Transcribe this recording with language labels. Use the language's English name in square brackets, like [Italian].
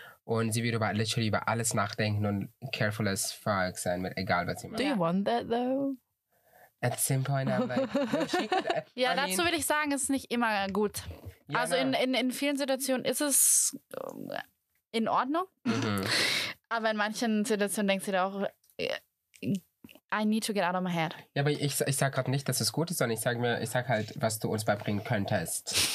[German] Und sie wird über, literally über alles nachdenken und [English] careful as fuck [German] sein, mit egal was sie macht. [English] Do you want that though? At some point, I'm like, no, she could. [German] Ja, I dazu mean, will ich sagen, es ist nicht immer gut. Ja, also in vielen Situationen ist es in Ordnung. Mhm. Aber in manchen Situationen denkst du dir auch, [English] I need to get out of my head. [German] Ja, aber ich sag gerade nicht, dass es gut ist, sondern ich sag halt, was du uns beibringen könntest.